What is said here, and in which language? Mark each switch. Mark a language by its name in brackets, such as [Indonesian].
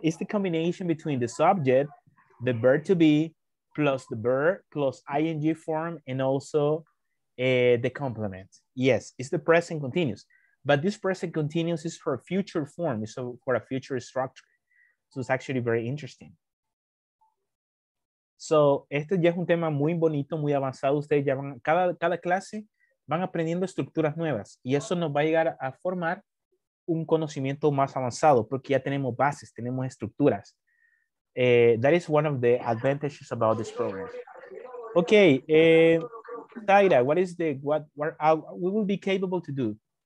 [English] It's the combination between the subject, the verb to be, plus the verb, plus ing form, and also the complement. Yes, it's the present continuous. But this present continuous is for a future form, so for a future structure. So it's actually very interesting. [Spanish] So, este ya es un tema muy bonito, muy avanzado. Ustedes ya van, cada clase van aprendiendo estructuras nuevas. Y eso nos va a llegar a formar un conocimiento más avanzado, porque ya tenemos bases, tenemos estructuras. [English] That is one of the advantages about this program. Okay, Taira, what we will be capable to do?